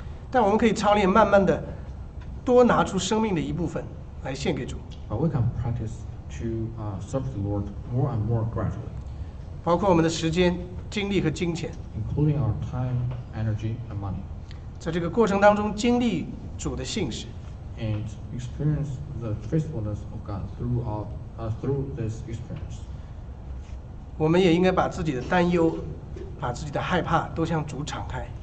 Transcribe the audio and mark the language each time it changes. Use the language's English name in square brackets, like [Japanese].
[Chinese] 但我们可以操练，慢慢的多拿出生命的一部分来献给主。 [English] But we can practice. To serve the Lord more and more gradually, [Chinese] 包括我们的时间、精力和金钱 [English] including our time, energy, and money. [Chinese] 在这个过程当中，经历主的信实 [English] and experience the faithfulness of God through this experience. [Chinese] 我们也应该把自己的担忧、把自己的害怕都向主敞开